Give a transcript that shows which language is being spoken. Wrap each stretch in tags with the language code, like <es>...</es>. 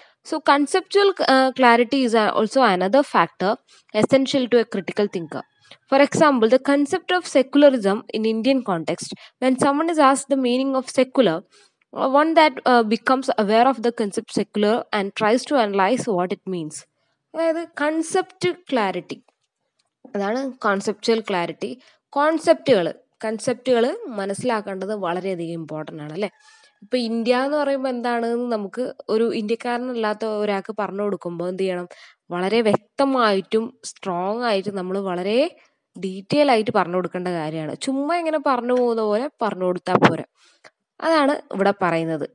<en>So conceptual clarity is also another factor essential to a critical thinker. For example, the concept of secularism in Indian context, when someone is ask the meaning of secular, one that becomes aware of the concept secular and tries to analyze what it means. That is concept clarity. That is conceptual clarity. Conceptual.</en> <ml>കൺസെപ്റ്റുകൾ മനസ്സിലാക്കേണ്ടത് വളരെയധികം important ആണ് അല്ലേ. ഇപ്പോൾ India എന്ന് പറയുമ്പോൾ എന്താണെന്ന് നമുക്ക് ഒരു ഇന്ത്യക്കാരനല്ലാത്ത ഒരാൾക്ക് പറഞ്ഞു കൊടുക്കുമ്പോൾ എന്ത് ചെയ്യണം, വളരെ വ്യക്തമായിട്ടും സ്ട്രോങ് ആയിട്ടും നമ്മൾ വളരെ ഡീറ്റെയിൽ ആയിട്ട് പറഞ്ഞു കൊടുക്കേണ്ട കാര്യമാണ്. ചുമ്മാ ഇങ്ങനെ പറഞ്ഞു പോകുന്ന പോലെ പറഞ്ഞു കൊടുത്താൽ പോരെ. അതാണ് ഇവിടെ പറയുന്നത്.</ml>